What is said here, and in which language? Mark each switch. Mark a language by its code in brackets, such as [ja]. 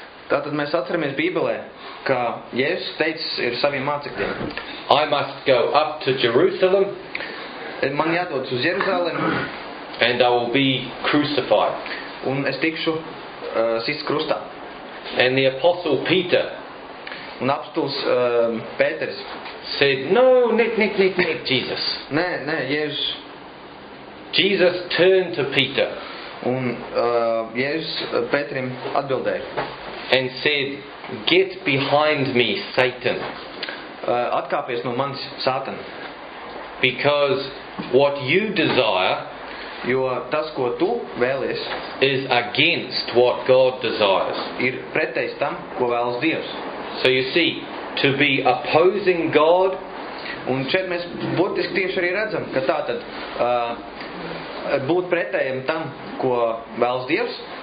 [lv] Tātad mēs atceramies Bībelē, ka Jēzus teica ir saviem mācekļiem. [en] I must go up to Jerusalem. [lv] Man jādodas uz Jeruzalem. [en] And I will be crucified. [lv] Un es tikšu sists krustā. [en] And the apostle Peter. [lv] Un apostols Pēters. [en] Said, no, nick, Jesus. [lv] Nē, nē, Jēzus. [en] Jesus turned to Peter. [lv] Un Jēzus Pēterim atbildēja. [en] And said, get behind me, Satan. [lv] Atkāpies no manis, Sātan. [en] Because what you desire. [lv] Jo tas, ko tu vēlies, [en] is against what God desires. [lv] Ir pretējs tam, ko vēlas Dievs. [en] So you see, to be opposing God. [lv] Un šeit mēs būtiski tieši arī redzam, ka tātad būt pretējiem tam, ko vēlas Dievs,